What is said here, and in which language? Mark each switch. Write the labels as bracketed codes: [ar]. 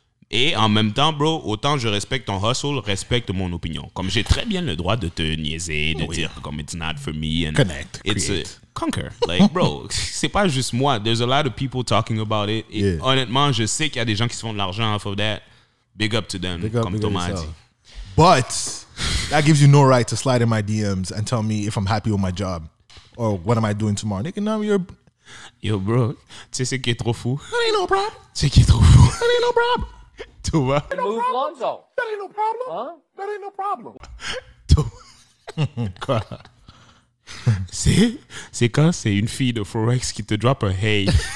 [fr] Et en même temps, bro, autant je respecte ton hustle, respecte mon opinion. Comme j'ai très bien le droit de te niaiser, de oui. Dire comme [en] it's not for me. And connect, it's create. A conquer. Like, bro, [fr] c'est pas juste moi. [en] There's a lot of people talking about it. [fr] Et [en] yeah. [fr] Honnêtement, je sais qu'il y a des gens qui se font de l'argent [en] off of that. Big up to them, big up, [fr] comme [en] big Thomas up [fr] a dit. [en] But that gives you no right to slide in my DMs and tell me if I'm happy with my job or what am I doing tomorrow. Nigga, now you're... [fr] Yo, bro, tu sais ce qui est trop fou? [en] That ain't no problem. [fr] Tu sais ce qui est trop fou? [en] That ain't no problem. Thomas. Move Lonzo. That ain't no problem. Huh? That ain't no problem. Thomas. [fr] C'est quand c'est une fille de Forex qui te drop un hey.